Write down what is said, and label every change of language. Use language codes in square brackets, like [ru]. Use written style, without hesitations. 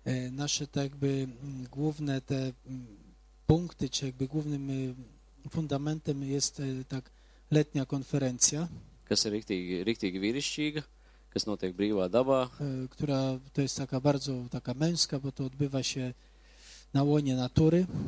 [pl] Naše tak by główne te punkty, czy jakby głównym fundamentem jest tak letnia konferencja, [lv] kas ir riktīgi vīrišķīga, kas notiek brīvā dabā, [pl] ktorā to jest taka bardzo taka męska, bo to odbywa się na łonie natury.